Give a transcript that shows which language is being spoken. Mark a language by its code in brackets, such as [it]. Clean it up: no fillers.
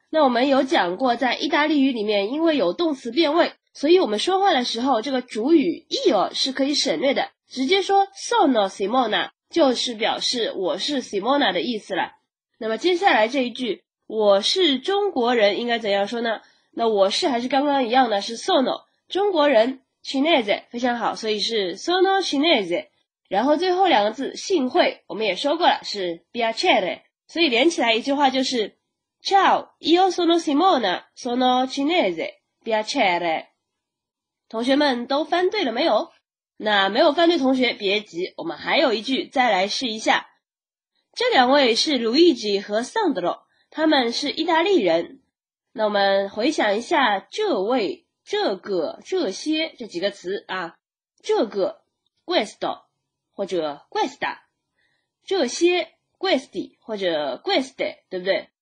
[zh] 那我们有讲过，在意大利语里面因为有动词变位，所以我们说话的时候这个主语 io 是可以省略的，直接说 [it] sono Simona [zh] 就是表示我是 Simona 的意思了。那么接下来这一句我是中国人应该怎样说呢？那我是还是刚刚一样的，是 sono 中国人 cinese， 非常好，所以是 [it] sono cinese。 [zh] 然后最后两个字幸会我们也说过了，是 piacere。所以连起来一句话就是 [it] Ciao, io sono Simona, sono cinese, piacere。 [zh] 同学们都翻对了没有？那没有翻对同学别急，我们还有一句再来试一下。这两位是 Luigi 和 Sandro， 他们是意大利人。那我们回想一下这位、这个、这些这几个词啊，这个 questo 或者 questa， 这些questi 或者 queste， 对不对？